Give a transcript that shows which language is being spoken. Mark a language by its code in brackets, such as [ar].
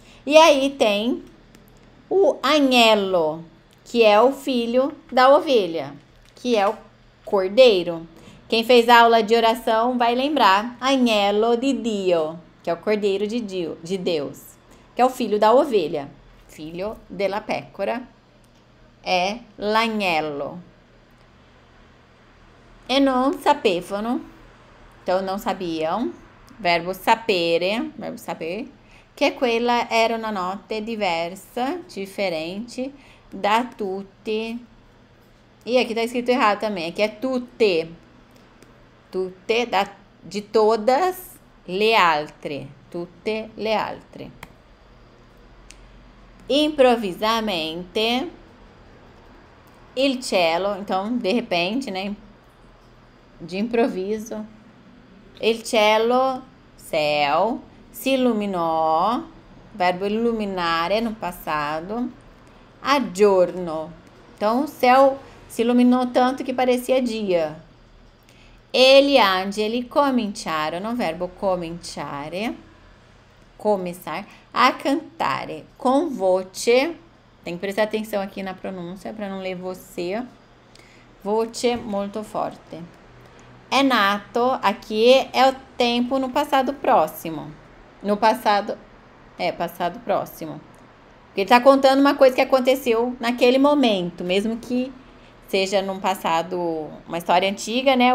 [pt] E aí tem o agnello, que é o filho da ovelha, que é o cordeiro. Quem fez aula de oração vai lembrar: agnello di Dio, que é o cordeiro de Deus, que é o filho da ovelha. [it] Filho della pecora è l'agnello. E non sapevano, [pt] então não sabiam, verbo sapere. [it] Che quella era una notte diversa, differente da tutti. [pt] E aqui tá escrito errado também, aqui é tutte. [it] Tutte da de todas le altre, tutte le altre. Improvvisamente il cielo, [pt] então de repente, né? De improviso. Il cielo, céu. [it] Si illuminò, [pt] verbo illuminare no passato, [it] a giorno. [pt] Então, o céu se iluminou tanto que parecia dia. [it] E gli angeli cominciarono, verbo cominciare, [pt] começar a [it] cantare com voce. [pt] Tem que prestar atenção aqui na pronúncia para não ler você. Voce molto forte. [it] È nato, [pt] aqui é o tempo no passado próximo. No passado, passado próximo. Porque ele está contando uma coisa que aconteceu naquele momento, mesmo que seja num passado, uma história antiga, né?